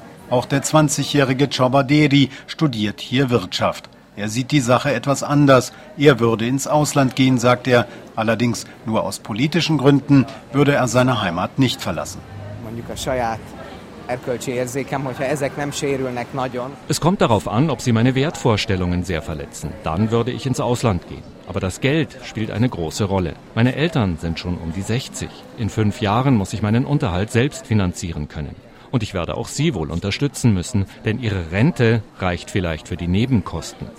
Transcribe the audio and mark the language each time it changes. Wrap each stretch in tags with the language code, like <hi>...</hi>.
<de>Auch der 20-jährige Csaba Déri studiert hier Wirtschaft. Er sieht die Sache etwas anders. Er würde ins Ausland gehen, sagt er. Allerdings nur aus politischen Gründen würde er seine Heimat nicht verlassen.</de> <hu>erkölcsi érzékem, hogyha ezek nem sérülnek nagyon.</hu> <de>Es kommt darauf an, ob sie meine Wertvorstellungen sehr verletzen. Dann würde ich ins Ausland gehen. Aber das Geld spielt eine große Rolle. Meine Eltern sind schon um die 60. In 5 Jahren muss ich meinen Unterhalt selbst finanzieren können. Und ich werde auch sie wohl unterstützen müssen, denn ihre Rente reicht vielleicht für die Nebenkosten.</de>